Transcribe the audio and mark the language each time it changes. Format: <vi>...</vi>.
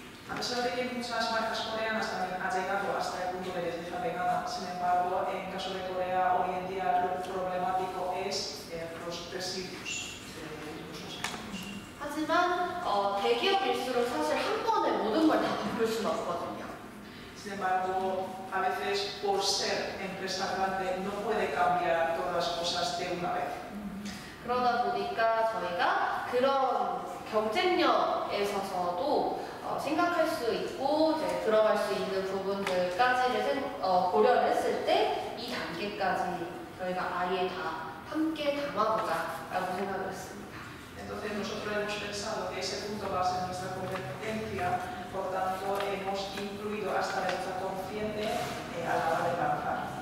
<es>A pesar de que muchas marcas coreanas también han llegado hasta el punto de belleza vegana, sin embargo, en el caso de Corea, hoy en día lo problemático es los residuos de los alimentos.</es> <ko>하지만 대기업일수록 사실 한 번에 모든 걸 다 바꿀 수는 없거든요.</ko> <es>Sin embargo, a veces por ser empresa grande no puede cambiar todas las cosas de una vez.</es> <ko>그러다 보니까 저희가 그런 경쟁력에서도 생각할 수 있고 이제 들어갈 수 있는 부분들까지를 고려를 했을 때 이 단계까지 저희가 아예 다 함께 담아보자라고 생각했습니다.</ko> <es>Entonces nosotros hemos pensado que ese punto va a ser nuestra competencia, por tanto hemos incluido hasta la etapa consciente a la hora de lanzar.</es>